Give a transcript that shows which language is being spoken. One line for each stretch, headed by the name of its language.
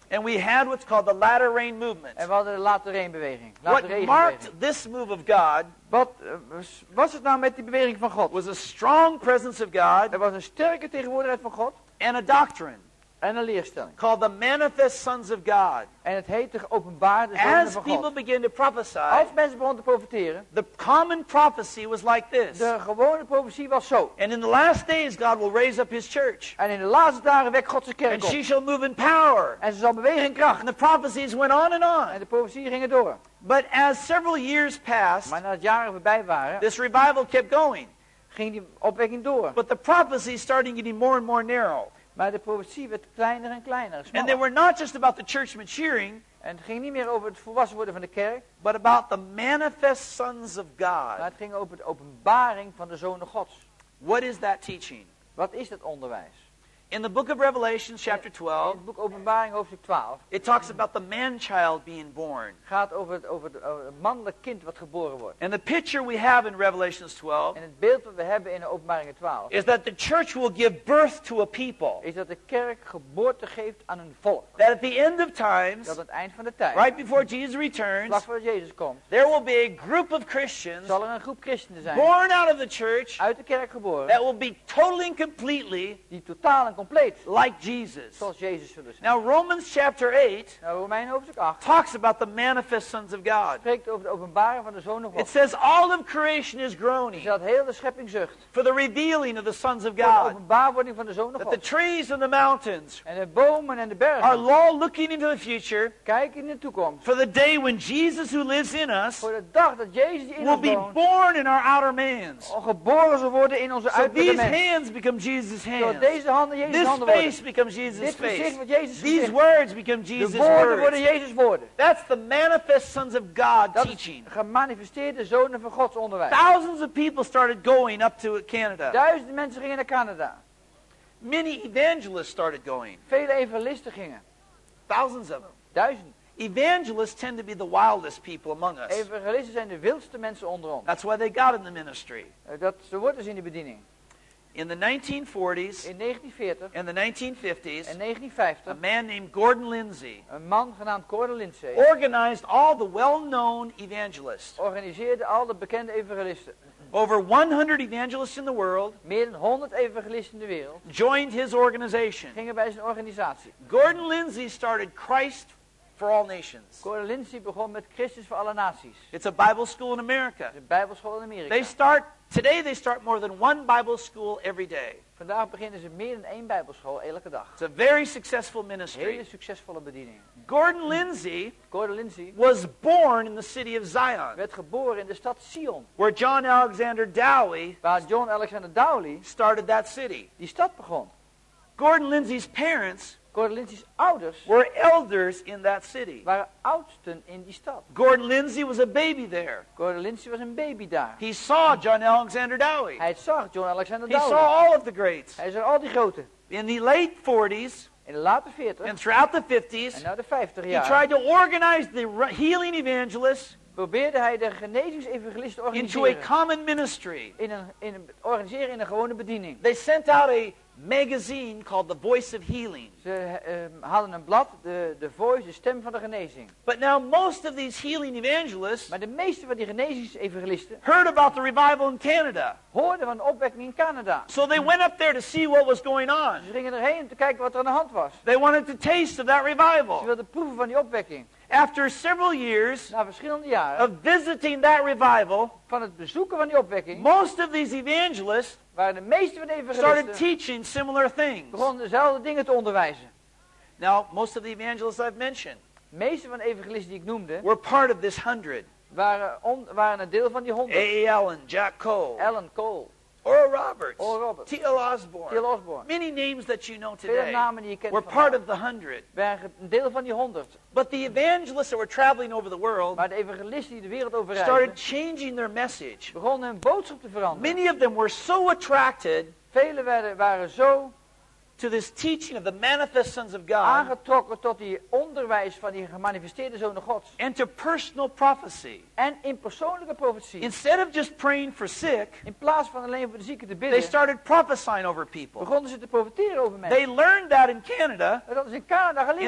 English: And we had what's called the latter rain movement.
Dutch: En we hadden de latere regenbeweging.
English: What marked this move of God?
Dutch: Wat was het nou met die beweging van God?
English: Was a strong presence of God.
Dutch: Er was een sterke tegenwoordigheid van God.
English: And a doctrine.
Dutch: En een leerstelling.
English: Called the manifest sons of God.
Dutch: En het heet de geopenbaarde zonen
English: van
Dutch: God.
English: As people begin to prophesy.
Dutch: Als mensen begonnen te profeteren.
English: The common prophecy was like this.
Dutch: De gewone profetie was zo.
English: And in the last days God will raise up his church.
Dutch: En in de laatste dagen wekt God zijn kerk op.
English: And she shall move in power.
Dutch: En ze zal bewegen in kracht.
English: And the prophecies went on and on.
Dutch: En de profetieën gingen door.
English: But as several years passed.
Dutch: Maar nadat jaren voorbij waren.
English: This revival kept going.
Dutch: Ging die opwekking door.
English: But the prophecy started getting more and more narrow.
Dutch: Maar de profetie werd kleiner en kleiner.
English: And they were not just about the church maturing,
Dutch: en het ging niet meer over het volwassen worden van de kerk.
English: But about the manifest sons of God.
Dutch: Maar het ging over de openbaring van de zonen Gods.
English: What is that teaching?
Dutch: Wat is dat onderwijs?
English: In the book of Revelation chapter 12.
Dutch: In het boek Openbaring hoofdstuk 12.
English: It talks about the man-child being born.
Dutch: Gaat over het mannelijk kind wat geboren wordt.
English: And the picture we have in Revelation 12.
Dutch: En het beeld wat we hebben in Openbaring 12.
English: Is that the church will give birth to a people.
Dutch: Is dat de kerk geboorte geeft aan een volk.
English: That at the end of times.
Dutch: Dat aan het eind van de tijd.
English: Right before Jesus returns.
Dutch: Vlak voor Jezus komt.
English: There will be a group of Christians.
Dutch: Zal er een groep christenen zijn.
English: Born out of the church.
Dutch: Uit de kerk geboren.
English: That will be totally and completely.
Dutch: Die totaal en compleet.
English: Like Jesus.
Dutch: Zoals Jezus zullen zijn.
English: Now Romans chapter 8.
Dutch: Nou, Romein hoofdstuk 8.
English: Talks about the manifest sons of God.
Dutch: Spreekt over de openbaring van de zonen van God.
English: It says all of creation is groaning.
Dutch: Dat heel de schepping zucht.
English: For the revealing of the sons of God.
Dutch: Voor de openbaarwording van de zonen van God.
English: That the trees and the mountains.
Dutch: En de bomen en de bergen.
English: Are all looking into the future.
Dutch: Kijken in de toekomst.
English: For the day when Jesus who lives in us.
Dutch: Voor de dag dat Jezus die in ons woont.
English: Will be born in our outer mans.
Dutch: Geboren zal worden in onze uiterlijke mens.
English: So these hands become Jesus' hands.
Dutch: Door deze handen Jezus
English: this
Dutch: handen
English: face
Dutch: worden.
English: Becomes Jesus' face.
Dutch: Wordt Jezus
English: these
Dutch: gezicht.
English: Words become Jesus'
Dutch: de woorden
English: words.
Dutch: Worden Jezus' woorden.
English: That's the manifest sons of God
Dutch: dat
English: teaching.
Dutch: Gemanifesteerde zonen van Gods onderwijs.
English: Thousands of people started going up to Canada.
Dutch: Duizenden mensen gingen naar Canada.
English: Many evangelists started going.
Dutch: Vele evangelisten gingen.
English: Thousands of them.
Dutch: Duizenden.
English: Evangelists tend to be the wildest people among us.
Dutch: Evangelisten zijn de wildste mensen onder ons.
English: That's why they got in the ministry.
Dutch: Dat ze worden in de bediening.
English: In the 1940s,
Dutch: in 1940,
English: and the 1950s,
Dutch: in 1950,
English: a man named Gordon Lindsay,
Dutch: een man genaamd Gordon Lindsay,
English: organized all the well-known evangelists.
Dutch: Organiseerde al de bekende evangelisten.
English: Over 100 evangelists in the world.
Dutch: Meer dan 100 evangelisten in de wereld.
English: Joined his organization.
Dutch: Gingen bij zijn organisatie.
English: Gordon Lindsay started Christ for All Nations.
Dutch: Gordon Lindsay begon met Christus voor alle naties.
English: It's a Bible school in America.
Dutch: Een Bijbelschool in Amerika.
English: They start. Today they start more than one Bible school every day.
Dutch: Vandaag beginnen ze meer dan één Bijbelschool elke dag.
English: It's a very successful ministry.
Dutch: Hele succesvolle bediening.
English: Gordon Lindsay.
Dutch: Gordon Lindsay.
English: Was born in the city of Zion.
Dutch: Werd geboren in de stad Zion.
English: Where John Alexander Dowie.
Dutch: Waar John Alexander Dowie.
English: Started that city.
Dutch: Die stad begon.
English: Gordon Lindsay's parents.
Dutch: Gordon Lindsay's ouders
English: were elders in that city.
Dutch: Waren oudsten in die stad.
English: Gordon Lindsay was a baby there.
Dutch: Gordon Lindsay was een baby daar.
English: He saw John Alexander Dowie.
Dutch: Hij zag John Alexander
English: Dowie. He saw all of the greats.
Dutch: Hij zag al die grote.
English: In the late 40s.
Dutch: In de late 40.
English: And throughout the 50s.
Dutch: En na de 50 jaar.
English: He tried to organize the healing evangelists.
Dutch: Probeerde hij de genezingsevangelisten te organiseren.
English: Into a common ministry.
Dutch: Organiseren in een gewone bediening.
English: They sent out a magazine called The Voice of Healing.
Dutch: Ze hadden een blad, de Voice, de stem van de genezing.
English: But now most of these healing evangelists,
Dutch: maar de meeste van die genezingsevangelisten,
English: heard about the revival in Canada.
Dutch: Hoorden van de opwekking in Canada.
English: So they went up there to see what was going on.
Dutch: Ze gingen erheen om te kijken wat er aan de hand was.
English: They wanted to taste of that revival.
Dutch: Ze wilden proeven van die opwekking.
English: After several years,
Dutch: na verschillende jaren,
English: of visiting that revival,
Dutch: van het bezoeken van die opwekking,
English: most of these evangelists.
Dutch: Waar de meeste van de evangelisten
English: started teaching similar things.
Dutch: Begonnen dezelfde dingen te onderwijzen.
English: Now, most of the evangelists I've mentioned.
Dutch: De meeste van de evangelisten die ik noemde.
English: Were part of this 100.
Dutch: Waren een deel van die 100.
English: A. Allen, Jack Cole.
Dutch: Allen Cole.
English: Oral Roberts.
Dutch: Oral Roberts.
English: T.L. Osborne.
Dutch: T.L. Osborne.
English: Many names that you know today.
Dutch: Veel namen die je kent.
English: Were part of the 100.
Dutch: Waren een deel van die 100.
English: But the evangelists that were traveling over the world.
Dutch: Maar de evangelisten die de wereld overreisden.
English: Started changing their message.
Dutch: Begonnen hun boodschap te veranderen.
English: Many of them were so attracted.
Dutch: Vele waren zo
English: to this teaching of the manifest sons of God.
Dutch: Aangetrokken tot die onderwijs van die gemanifesteerde zonen Gods.
English: And to personal prophecy.
Dutch: En in persoonlijke profetie.
English: Instead of just praying for sick,
Dutch: in plaats van alleen voor de zieken te bidden,
English: they started prophesying over people.
Dutch: Begonnen ze te profeteren over mensen.
English: They learned that in Canada.
Dutch: Dat is in Canada geleerd.